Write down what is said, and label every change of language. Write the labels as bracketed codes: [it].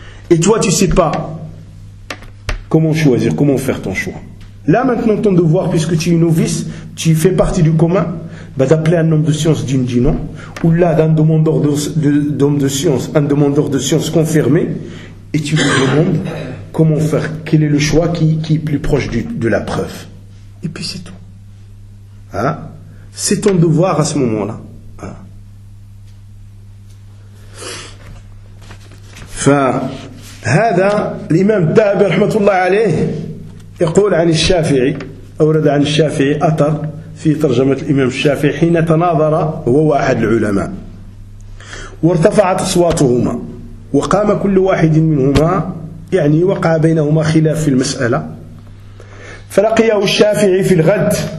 [fr] et toi tu sais pas comment choisir comment faire ton choix là maintenant ton devoir puisque tu es novice tu fais partie du commun bah, d'appeler un homme de science digne du nom ou là d'un demandeur d'homme de science un demandeur de science confirmé et tu lui demandes comment faire, quel est le choix qui est plus proche de la preuve et puis c'est tout hein? C'est ton devoir à ce moment là hein? [ar] Enfin هذا l'imam Dahabi rahmatullah alayh يقول عن الشافعي أورد عن الشافعي أثر في ترجمة الإمام الشافعي حين تناظر هو واحد العلماء وارتفعت أصواتهما وقام كل واحد منهما يعني وقع بينهما خلاف في المسألة فلقيه الشافعي في الغد